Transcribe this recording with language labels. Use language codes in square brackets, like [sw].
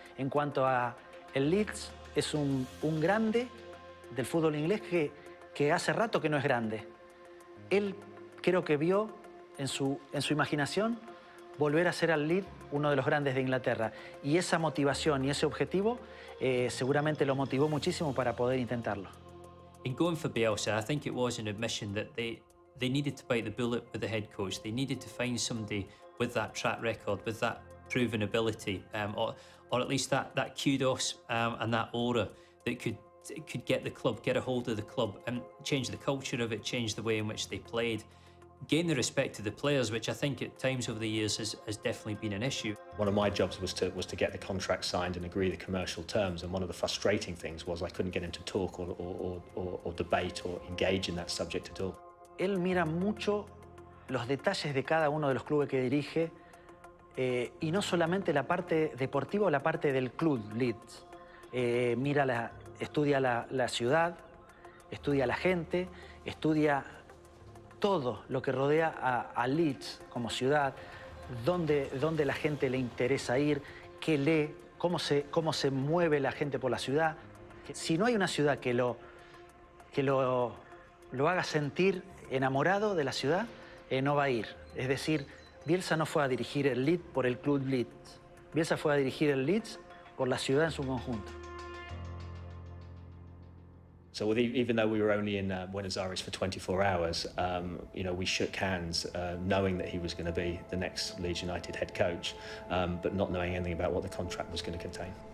[es] En cuanto a el Leeds, es un grande del fútbol inglés que hace rato que no es grande. Él creo que vio en su imaginación volver a ser al Leeds uno de los grandes de Inglaterra. Y esa motivación y ese objetivo seguramente lo motivó muchísimo para poder intentarlo. [en] In going for Bielsa, I think it was an admission that they needed to bite the bullet with the head coach. They needed to find somebody with that track record, with that proven ability, or at least that kudos and that aura that could get the club, get a hold of the club and change the culture of it, change the way in which they played. Gain the respect of the players, which I think at times over the years has definitely been an issue. One of my jobs was to get the contract signed and agree the commercial terms. And one of the frustrating things was I couldn't get him to talk or debate or engage in that subject at all. [es] Él mira mucho los detalles de cada uno de los clubes que dirige y no solamente la parte deportiva o la parte del club Leeds. Mira estudia la ciudad, estudia la gente, estudia todo lo que rodea a Leeds como ciudad, dónde la gente le interesa ir, qué lee, cómo se mueve la gente por la ciudad. Si no hay una ciudad que lo haga sentir enamorado de la ciudad, no va a ir. Es decir, Bielsa no fue a dirigir el Leeds por el club Leeds. Bielsa fue a dirigir el Leeds por la ciudad en su conjunto. [en] So even though we were only in Buenos Aires for 24 hours, we shook hands knowing that he was going to be the next Leeds United head coach, but not knowing anything about what the contract was going to contain.